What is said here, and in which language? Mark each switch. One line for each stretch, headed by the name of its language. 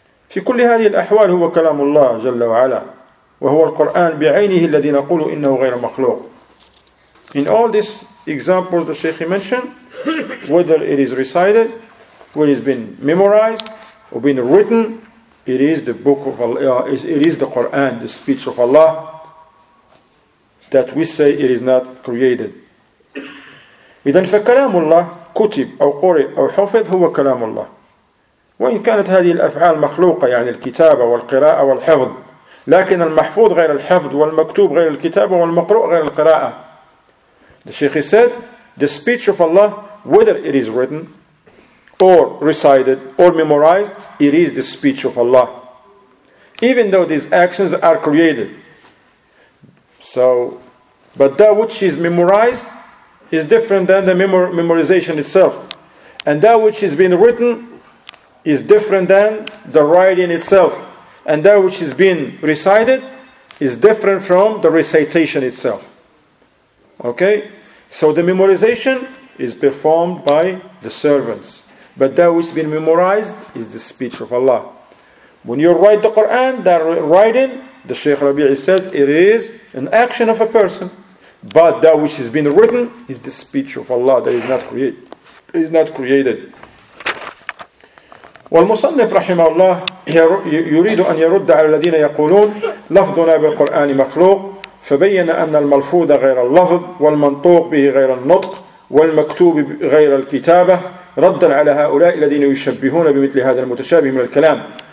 Arabic: في كل هذه الأحوال هو كلام الله جل وعلا وهو القرآن بعينه الذي نقول إنه غير مخلوق.
English: In all this examples the Shaykh mentioned, whether it is recited, whether it's been memorized, or been written, it is the book of Allah, it is the Quran, the speech of Allah, that we say it is not created.
Arabic: إذن فكلام الله كتب أو قرئ أو حفظ هو كلام الله. وإن كانت هذه الأفعال مخلوقة يعني الكتابة والقراءة والحفظ لكن المحفوظ غير الحفظ والمكتوب غير الكتابة والمقروء غير القراءة.
English: The Shaykh said, the speech of Allah, whether it is written or recited or memorized, it is the speech of Allah. Even though these actions are created. So, but that which is memorized is different than the memorization itself. And that which has been written is different than the writing itself. And that which has been recited is different from the recitation itself. Okay, so the memorization is performed by the servants. But that which has been memorized is the speech of Allah. When you write the Quran, that writing, the Shaykh Rabi'i says, it is an action of a person. But that which has been written is the speech of Allah that is not created.
Arabic: والمصنف رحمه الله يريد أن يرد على الذين يقولون لفظنا بالقرآن مخلوق فبين أن الملفوظ غير اللفظ والمنطوق به غير النطق والمكتوب غير الكتابة ردا على هؤلاء الذين يشبهون بمثل هذا المتشابه من الكلام.